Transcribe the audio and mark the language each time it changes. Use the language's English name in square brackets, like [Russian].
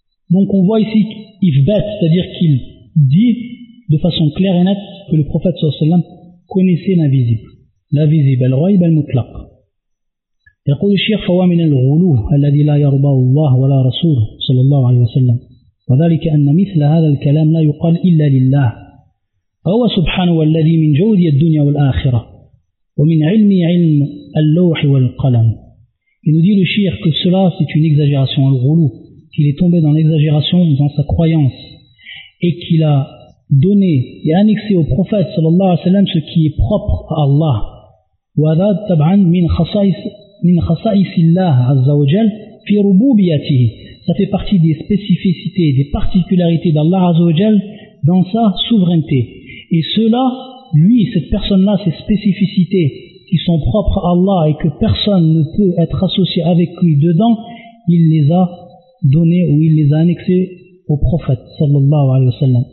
[French] Donc on voit ici ifbat, c'est-à-dire qu'il dit de façon claire et nette que le prophète sallallahu alayhi wa sallam connaissait l'invisible, al-ghaib al-mutlaq. [Arabic] يقول الشيخ فهو من الغلو الذي لا يرضى الله ولا رسوله صلى الله عليه وسلم وذلك أن مثل هذا الكلام لا يقال إلا لله فهو سبحانه والذي من جودي الدنيا والآخرة ومن علمي علم اللوح والقلم. [French] Il nous dit le shir que cela c'est une exagération, un ghulu, qu'il est tombé dans l'exagération dans sa croyance et qu'il a donné et annexé au prophète صلى الله عليه وسلم ce qui est propre à Allah. [Arabic] وهذا طبعا من خصائص الله عز وجل في ربوبيته. [French] ça fait partie des spécificités, des particularités d'Allah Azzawajal dans sa souveraineté. Et cela, lui, cette personne-là, ces spécificités qui sont propres à Allah et que personne ne peut être associé avec lui dedans, il les a données ou il les a annexées au prophète, sallallahu alayhi wa sallam.